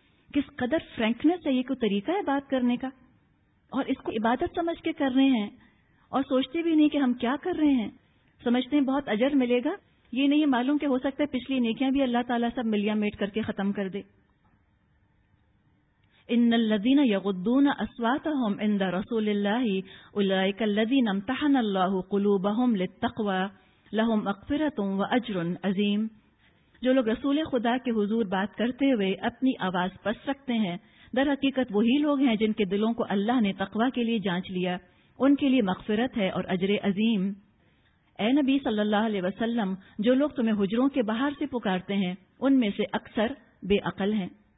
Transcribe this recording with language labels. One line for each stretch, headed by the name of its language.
Urdu: کس قدر فرینکنس ہے, یہ کوئی طریقہ ہے بات کرنے کا؟ اور اس کو عبادت سمجھ کے کر رہے ہیں اور سوچتے بھی نہیں کہ ہم کیا کر رہے ہیں. سمجھتے ہیں بہت اجر ملے گا, یہ نہیں معلوم کہ ہو سکتا ہے پچھلی نیکیاں بھی اللہ تعالیٰ سب ملیا میٹ کر کے ختم کر دے.
Arabic: ان الذين يغضون اصواتهم عند رسول الله اولئك الذين امتحن الله قلوبهم للتقوى لهم مغفرة واجر عظيم.
Urdu: جو لوگ رسول خدا کے حضور بات کرتے ہوئے اپنی آواز پس رکھتے ہیں, در حقیقت وہی لوگ ہیں جن کے دلوں کو اللہ نے تقوی کے لیے جانچ لیا, ان کے لیے مغفرت ہے اور اجر عظیم. اے نبی صلی اللہ علیہ وسلم, جو لوگ تمہیں حجروں کے باہر سے پکارتے ہیں ان میں سے اکثر بے عقل ہیں.